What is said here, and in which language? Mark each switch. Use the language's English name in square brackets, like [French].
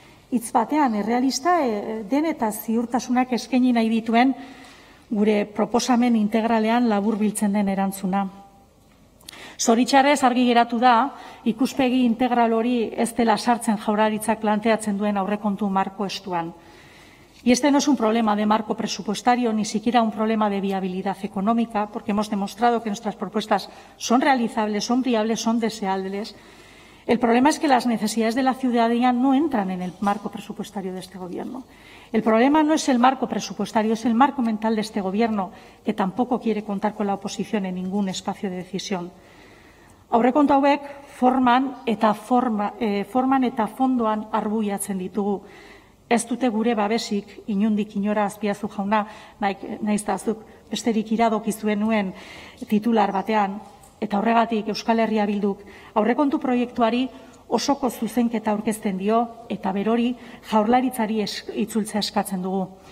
[Basque] Hitz batean, errealista den eta ziurtasunak eskaini nahi dituen gure proposamen integralean labur biltzen den erantzuna. Zoritxarrez argi geratu da, ikuspegi integral hori ez dela sartzen Jaurlaritzak planteatzen duen aurrekontu marko estuan. [Spanish] Y este no es un problema de marco presupuestario, ni siquiera un problema de viabilidad económica, porque hemos demostrado que nuestras propuestas son realizables, son viables, son deseables. El problema es que las necesidades de la ciudadanía no entran en el marco presupuestario de este Gobierno. El problema no es el marco presupuestario, es el marco mental de este Gobierno, que tampoco quiere contar con la oposición en ningún espacio de decisión. [Basque] Aurrekontu hauek forman eta fondoan arbuiatzen ditugu. Ez dute gure babesik, inundik inora Azpiazu jauna, naiztazuk besterik iradokizuen nuen titular batean, eta horregatik Euskal Herria Bilduk aurrekontu proiektuari osoko zuzenketa aurkezten dio eta berori Jaurlaritzari itzultzea eskatzen dugu.